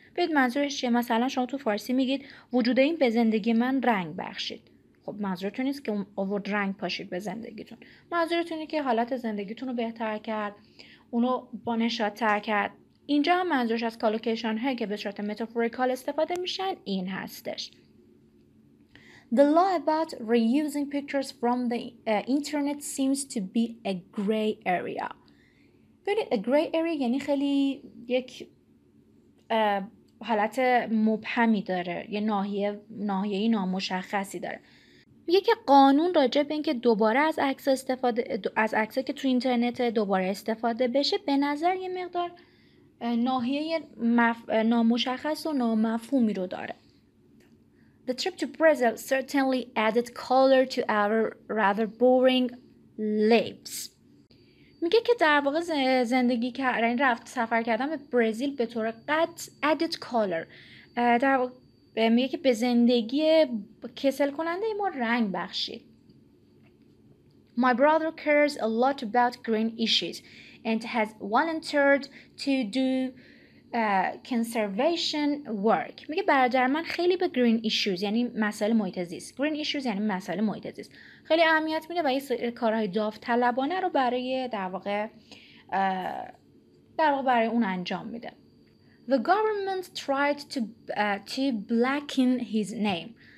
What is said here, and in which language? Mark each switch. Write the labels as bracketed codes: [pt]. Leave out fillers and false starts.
[fa] ببینید منظورش چیه؟ مثلا شما تو فارسی میگید وجود این به زندگی من رنگ بخشید. خب منظورتون نیست که آورد رنگ پاشید به زندگیتون. منظورتون اینه که حالت زندگیتون رو بهتر کرد، اونو با نشاط‌تر کرد. اینجا هم منظورش از کالوکیشن هایی که به صورت متافوریکال استفاده میشن این هستش. [en] The law about reusing pictures from the internet seems to be a gray area. [fa] ببینید a gray area یعنی خیلی یک حالت مبهمی داره، یه ناحیه‌ای نامشخصی داره. یک قانون راجع به اینکه دوباره از عکس استفاده از عکسی که تو اینترنت دوباره استفاده بشه به نظر یه مقدار ناحیه نامشخص و نامفهومی رو داره. [en] The trip to Brazil certainly added color to our rather boring lives. [fa] میگه که در واقع زندگی کردن رفت سفر کردن به برزیل به طور قطع added color. در واقع میگه که به زندگی کسل کننده ما رنگ بخشید. [en] My brother cares a lot about green issues and has volunteered to do conservation work. [fa] میگه برادر من خیلی به green issues یعنی مسئله محیط زیست. Green issues یعنی مسئله محیط زیست. خیلی اهمیت میده و این کارهای داوطلبانه رو برای در واقع برای اون انجام میده. [en] The government tried to blacken his name.